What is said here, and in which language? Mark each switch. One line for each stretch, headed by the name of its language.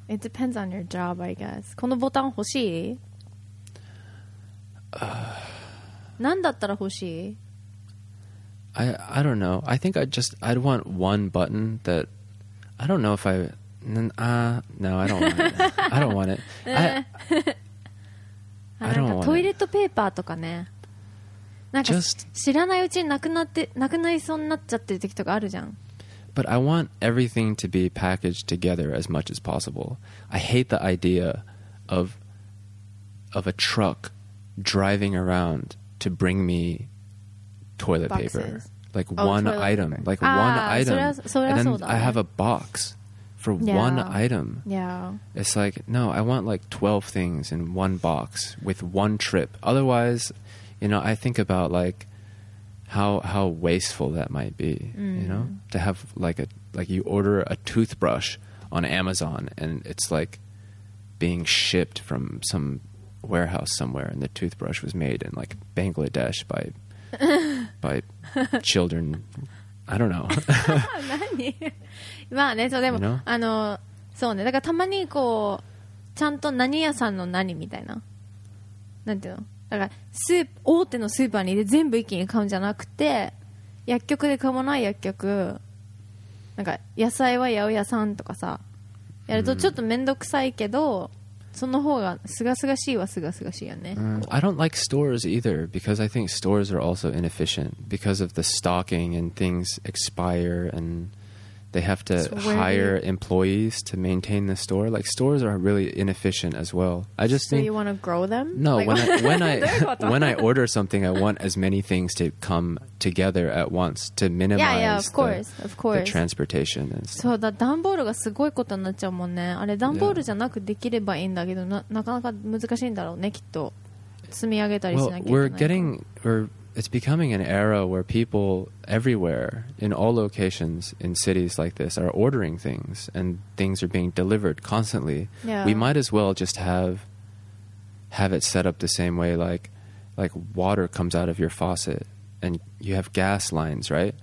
English: It depends on your job, I guess.
Japanese: このボタン欲しい？何だったら欲しい？
English: I don't know. I think I'd want one button that... I don't know if I... No, I don't want it. I don't want it.
Japanese: なんかトイレットペーパーとかね、なんか知らないうちになくなりそうになっちゃってる時とかあるじゃん。
English: But I want everything to be packaged together as much as possible. I hate the idea of a truck driving around to bring me toilet paper. Like one item. Like one item.
Japanese: それはそうだね。
English: And then I have a box. For one item. Yeah. It's like, no, I want like 12 things in one box with one trip. Otherwise, you know, I think about like how wasteful that might be, you know, to have like you order a toothbrush on Amazon and it's like being shipped from some warehouse somewhere. And the toothbrush was made in like Bangladesh by, by children. I don't know.
Japanese: 何？まあね、そうでも、
English: you know?
Japanese: あの、そうね、だからたまにこう、ちゃんと何屋さんの何みたいな。なんていうの？だから、大手のスーパーにで全部一気に買うんじゃなくて、薬局で買わない薬局、なんか野菜は八百屋さんとかさ、やるとちょっとめんどくさいけど、その方がすがすがしいはすがすがしいよね。
English: I don't like stores either because I think stores are also inefficient because of the stocking and things expire and they have to hire employees to maintain the store. Like stores are really inefficient as well. I just think you want to grow them? No, like, when I order something, I want as many things to come together at once to minimize of course. The transportation and stuff.
Japanese: そうだ、ダンボールがすごいことになっちゃうもんね。あれ、ダンボールじゃなくできればいいんだけど、なかなか難しいんだろうね、きっと。積み上げたりしなきゃいけない。
English: It's becoming an era where people everywhere, in all locations in cities like this, are ordering things and things are being delivered constantly. Yeah. We might as well just have it set up the same way, like water comes out of your faucet and you have gas lines, right?